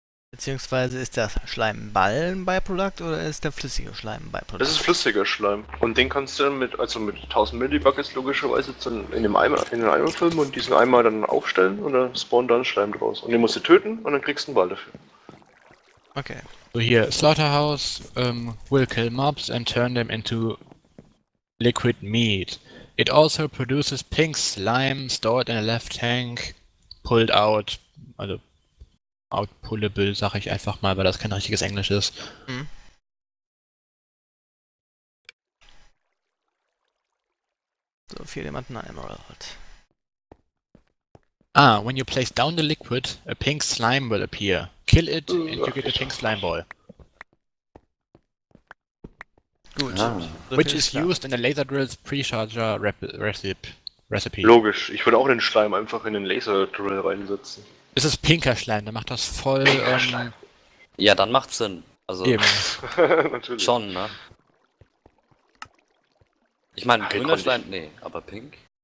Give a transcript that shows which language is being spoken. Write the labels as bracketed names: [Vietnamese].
[German] Beziehungsweise ist der Schleimball ein Byproduct oder ist der flüssige Schleim ein Byproduct? Das ist flüssiger Schleim. Und den kannst du dann mit, also mit 1000 Millibuckets logischerweise in dem Eimer, in den Eimer filmen und diesen Eimer dann aufstellen und dann spawnt dann Schleim draus. Und den musst du töten und dann kriegst du einen Ball dafür. Okay. So hier, [English] Slaughterhouse will kill mobs and turn them into liquid meat. It also produces pink slime stored in a left tank, pulled out, also [German] Outpullable, sag ich einfach mal, weil das kein richtiges Englisch ist. Mhm. So, fehlt jemand ein Emerald. [English] Ah, when you place down the liquid, a pink slime will appear. Kill it and you get a pink slime ball. [German] Gut. Ah. [English] Which is used in a laser drill's pre-charger recipe. [German] Logisch, ich würde auch den Schleim einfach in den Laser Drill reinsetzen. Es ist pinker Schleim, dann macht das voll. Ja, dann macht's Sinn. Also eben. Natürlich. Schon, ne? Ich meine, grüner Schleim, nee, aber pink.